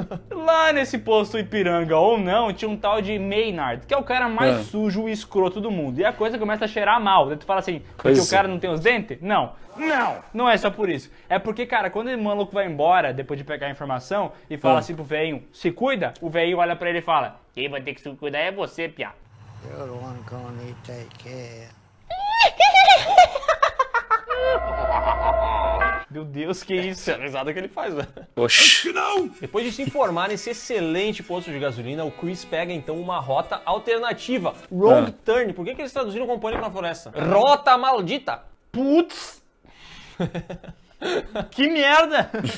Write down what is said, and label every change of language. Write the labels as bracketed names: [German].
[Portuguese] Lá nesse posto Ipiranga, ou não, tinha um tal de Maynard, que é o cara mais sujo e escroto do mundo. E a coisa começa a cheirar mal. Tu fala assim, porque o cara não tem os dentes? Não. Não! Não é só por isso. É porque, cara, quando o maluco vai embora, depois de pegar a informação, e fala assim pro velhinho: se cuida, o velhinho olha pra ele e fala: quem vai ter que se cuidar é você, piá. [English] You're the one gonna need to take care. [Portuguese] Meu Deus, que isso? É a risada que ele faz, velho. Oxi. Acho que não! Depois de se informar nesse excelente posto de gasolina, o Chris pega então uma rota alternativa. Wrong Turn. Por que, que eles traduziram o Pânico na Floresta? Rota maldita! Putz! Que merda!